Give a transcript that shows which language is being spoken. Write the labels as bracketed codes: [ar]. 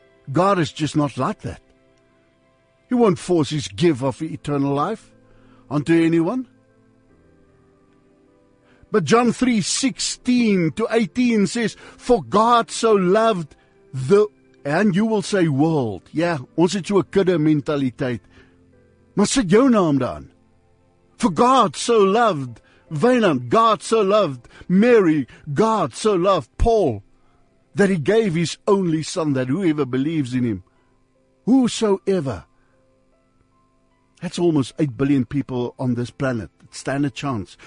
[en] God is just not like that. He won't force His give of eternal life onto anyone. But John 3, 16 to 18 says, for God so loved the, and you will say world. [af] Yeah, ons het so 'n kudde mentaliteit. Maar sit jou naam daan. [en] For God so loved Wayland, God so loved Mary, God so loved Paul, that He gave His only Son, that whoever believes in Him, whosoever. That's almost 8 billion people on this planet. Stand a chance.